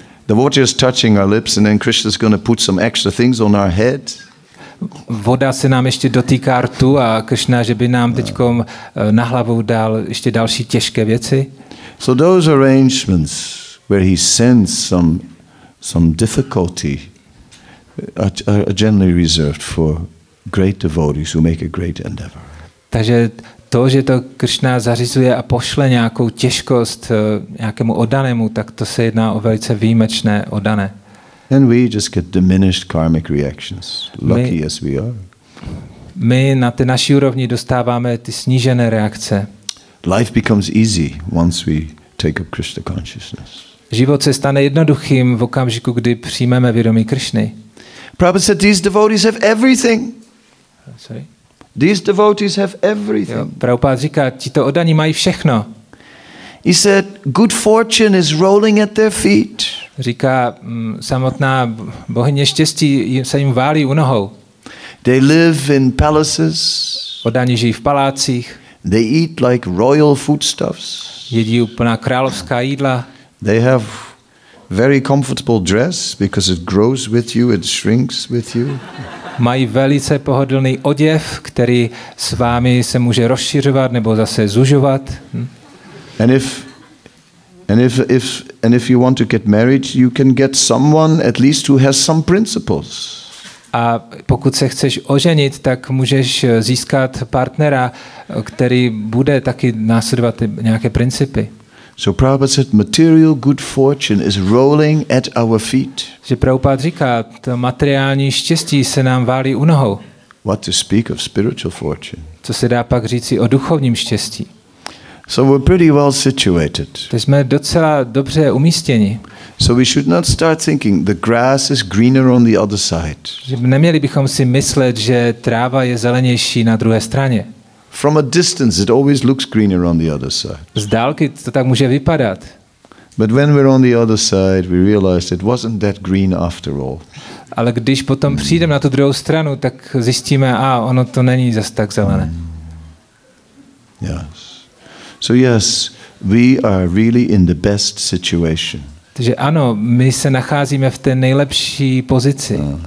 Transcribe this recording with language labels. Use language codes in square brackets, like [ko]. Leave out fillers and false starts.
[en] The water is touching our lips and then Krishna is going to put some extra things on our head. [cs] Voda se nám ještě dotýká rtu a Krishna, že by nám teďkom na hlavu dal ještě další těžké věci. [en] So those arrangements where he sends some difficulty are generally reserved for great devotees who make a great endeavor. [cs] Takže to, že to Krishna zařizuje a pošle nějakou těžkost nějakému oddanému, tak to se jedná o velice výjimečné oddané. [en] And we just get diminished karmic reactions, lucky as we are. [cs] My na té naší úrovni dostáváme ty snížené reakce. [en] Life becomes easy once we take up Krishna consciousness. [cs] Život se stane jednoduchým v okamžiku, kdy přijmeme vědomí Krishny. [en] Prabhupada said these devotees have everything. These devotees have everything. [cs] Prabhupada říká, tito oddaní mají všechno. [en] He said good fortune is rolling at their feet. [cs] Říká, samotná bohyně štěstí se jim válí u nohou. [en] They live in palaces. [cs] Oddaní žijí v palácích. [en] They eat like royal foodstuffs. [cs] Jedí úplná královská jídla. [en] They have very comfortable dress because it grows with you, it shrinks with you. [cs] Mají velice pohodlný oděv, který s vámi se může rozšiřovat nebo zase zužovat. [en] And if you want to get married, you can get someone at least who has some principles. [cs] A pokud se chceš oženit, tak můžeš získat partnera, který bude taky následovat nějaké principy. [en] So Prabhupada said material good fortune is rolling at our feet. [cs] Že Prabhupada říká, to materiální štěstí se nám válí u nohou. [en] What to speak of spiritual fortune? [cs] Co se dá pak říci o duchovním štěstí? [en] So we're pretty well situated. [cs] Takže jsme docela dobře umístěni. [en] So we should not start thinking the grass is greener on the other side. [cs] Že neměli bychom si myslet, že tráva je zelenější na druhé straně. [en] From a distance it always looks greener on the other side. [cs] Z dálky to tak může vypadat. [en] But when we're on the other side we realize it wasn't that green after all. [cs] Ale když potom přijdeme na tu druhou stranu, tak zjistíme, ono to není zas tak zelené. [en] Yes. So yes, we are really in the best situation. [cs] Takže ano, my se nacházíme v té nejlepší pozici.